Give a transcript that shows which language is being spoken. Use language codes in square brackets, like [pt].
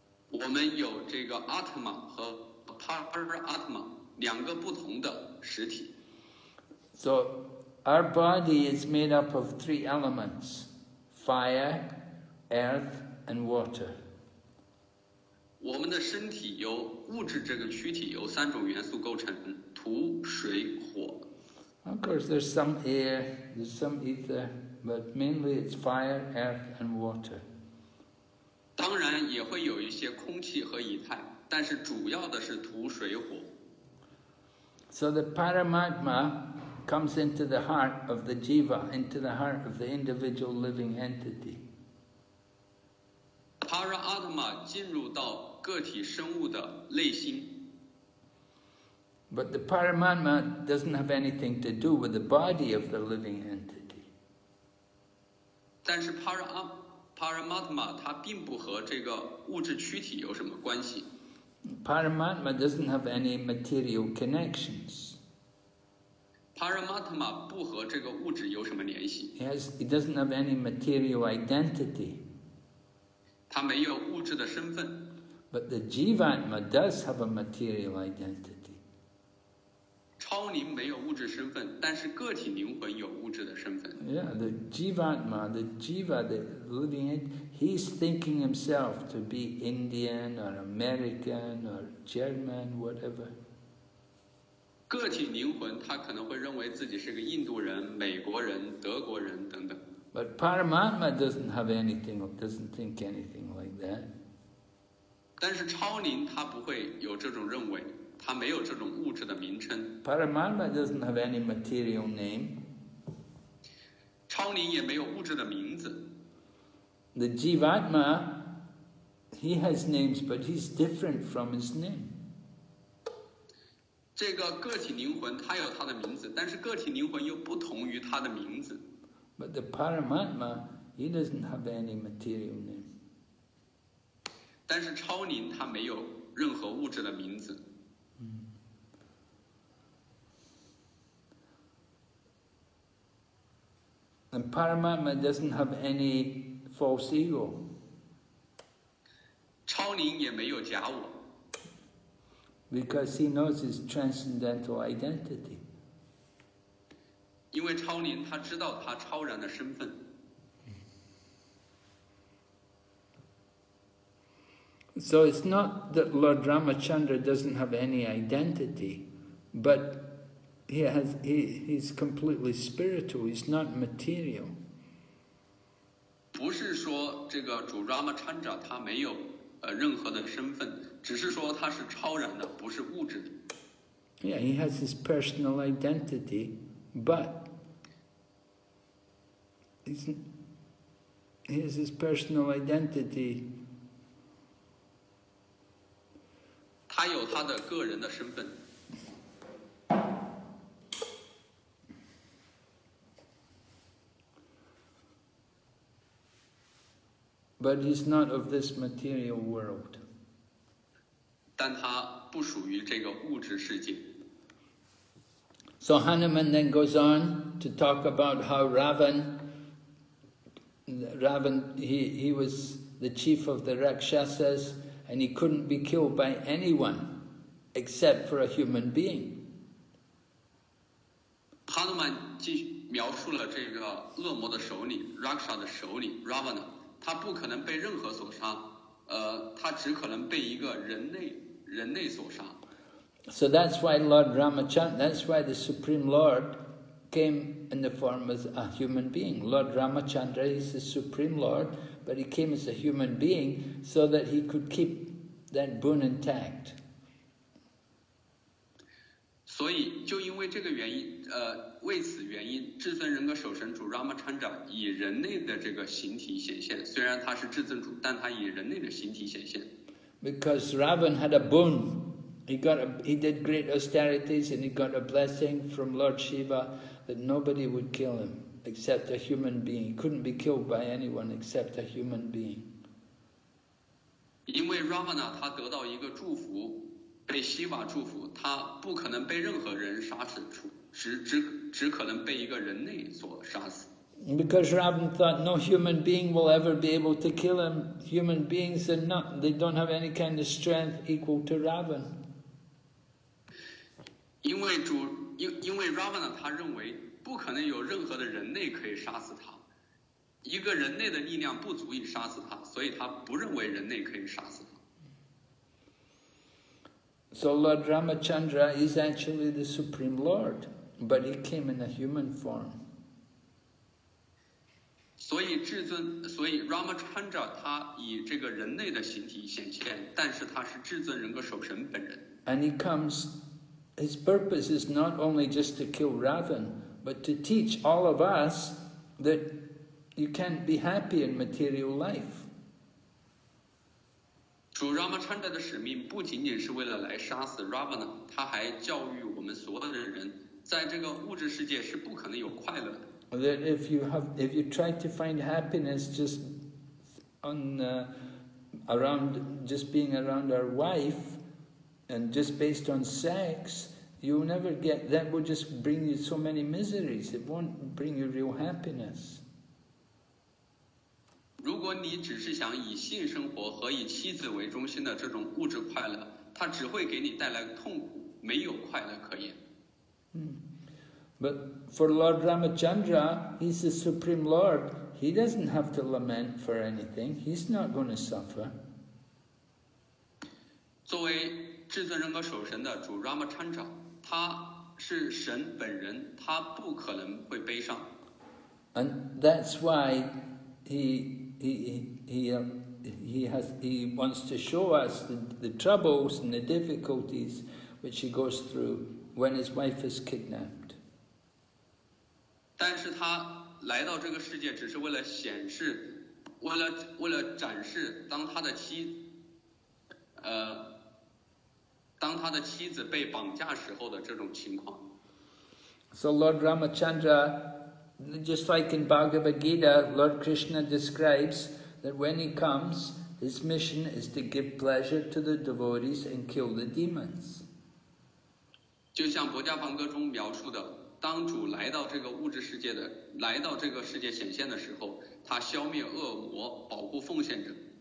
[zh] 我们有这个 Atma 和 Paramatma 两个不同的实体。 [en] So. Our body is made up of three elements, fire, earth, and water. [zh] 我们的身体由物质这个躯体由三种元素构成，土、水、火。 [en] Of course, there's some air, there's some ether, but mainly it's fire, earth, and water. [zh] 当然也会有一些空气和液态，但是主要的是土、水、火。 [en] So the Paramatma,comes into the heart of the jiva, into the heart of the individual living entity. [zh] Paramatma 进入到个体生物的内心。 [en] But the Paramatma doesn't have anything to do with the body of the living entity. [zh] 但是 Paramatma 它并不和这个物质躯体有什么关系。 [en] Paramatma doesn't have any material connections. [zh] Paramatma 不和这个物质有什么联系。 [en] He doesn't have any material identity. [zh] 他没有物质的身份。 [en] But the Jivatma does have a material identity. [zh] 超灵没有物质身份，但是个体灵魂有物质的身份。 [en] Yeah, the Jivatma, the Jiva, the living entity, he's thinking himself to be Indian or American or German, whatever. [zh] 个体灵魂他可能会认为自己是个印度人、美国人、德国人等等。 [en] But Paramatma doesn't have anything or doesn't think anything like that. [zh] 但是超灵他不会有这种认为，他没有这种物质的名称。 [en] Paramatma doesn't have any material name. [zh] 超灵也没有物质的名字。 [en] The Jivatma, he has names, but he's different from his name. [zh] 这个个体灵魂他有他的名字，但是个体灵魂又不同于他的名字。 [en] But the Paramatma, he doesn't have any material name. [zh] 但是超灵他没有任何物质的名字。 [en] And Paramatma doesn't have any false ego. [zh] 超灵也没有假我。 [en] Because he knows his transcendental identity. [zh] 因为超灵他知道他超然的身份。 [en] So it's not that Lord Ramachandra doesn't have any identity, but he's completely spiritual. He's not material. [zh] 不是说这个主 Ramachandra 他没有任何的身份，只是说他是超然的，不是物质的。 [en] Yeah, he has his personal identity, but he has his personal identity. [zh] 他有他的个人的身份。 [en] But he's not of this material world. [zh] 但他不属于这个物质世界。 [en] So Hanuman then goes on to talk about how Ravan, he was the chief of the Rakshasas. And he couldn't be killed by anyone except for a human being. [zh] Hanuman 继续描述了这个恶魔的首领 Raksha 的首领 Ravana, 他不可能被任何所杀，他只可能被一个人类所杀。 [en] So that's why Lord Ramachandra, that's why the Supreme Lord came in the form of a human being. Lord Ramachandra is the Supreme Lord. But he came as a human being so that he could keep that boon intact. [zh] 所以就因为这个原因，为此原因，至尊人格守神主 Ramachandra 以人类的这个形体显现。虽然他是至尊主，但他以人类的形体显现。 [en] Because Ravan had a boon, he did great austerities and he got a blessing from Lord Shiva that nobody would kill him. Except a human being, he couldn't be killed by anyone except a human being. [zh] 因为 Ravana 他得到一个祝福，被 Shiva 祝福，他不可能被任何人杀死，只可能被一个人类所杀死。 [en] Because Ravan thought no human being will ever be able to kill him. Human beings are not; they don't have any kind of strength equal to Ravan. [zh] 因为 Ravana 他认为。不可能有任何的人类可以杀死他，一个人类的力量不足以杀死他，所以他不认为人类可以杀死他。 [en] So Lord Ramachandra is actually the Supreme Lord, but he came in a human form. [zh] 所以 Ramachandra 他以这个人类的形体显现，但是他是至尊人格守神本人。 [en] And he comes, his purpose is not only just to kill Ravan. But to teach all of us that you can't be happy in material life. [zh] 主 Ramachandra 的使命不仅仅是为了来杀死 Ravana, 他还教育我们所有的人，在这个物质世界是不可能有快乐的。 [en] That if you try to find happiness just on around just being around our wife, and just based on sex. You will never get, that will just bring you so many miseries. It won't bring you real happiness. [zh] 如果你只是想以性生活和以妻子为中心的这种物质快乐，它只会给你带来痛苦，没有快乐可言。 [en] But for Lord Ramachandra, he's the Supreme Lord. He doesn't have to lament for anything. He's not going to suffer. [zh] 作为至尊人格守神的主 Ramachandra,他是神本人，他不可能会悲伤。 [en] And that's why he wants to show us the troubles and the difficulties which he goes through when his wife is kidnapped. [zh] 但是他来到这个世界只是为了显示，为了展示，当他的妻子被绑架时候的这种情况。 [en] So Lord Ramachandra, just like in Bhagavad Gita, Lord Krishna describes that when he comes, His mission is to give pleasure to the devotees and kill the demons. [zh] 就像博迦梵歌中描述的，当主来到这个物质世界的，来到这个世界显现的时候，他消灭恶魔，保护奉献者。